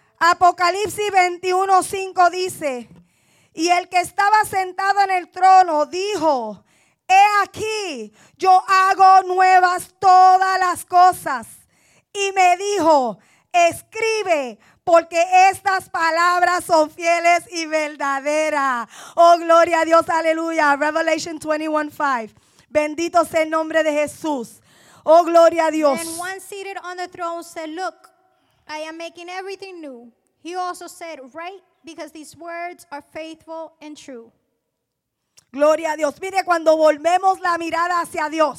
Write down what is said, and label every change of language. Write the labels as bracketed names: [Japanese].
[Spanish] Apocalipsis 21:5 dice, y el que estaba sentado en el trono dijo, he aquí, yo hago nuevas todas las cosas. Y me dijo, escribe, porque estas palabras son fieles y verdaderas. Oh, gloria a Dios, aleluya. [English] Revelation 21:5. [Spanish] Bendito sea el nombre de Jesús. Oh, gloria a Dios. [English] And one seated on the throne said, look, I am making everything new. He also said, write, because these words are faithful and true. [Spanish] Gloria a Dios. Mire, cuando volvemos la mirada hacia Dios.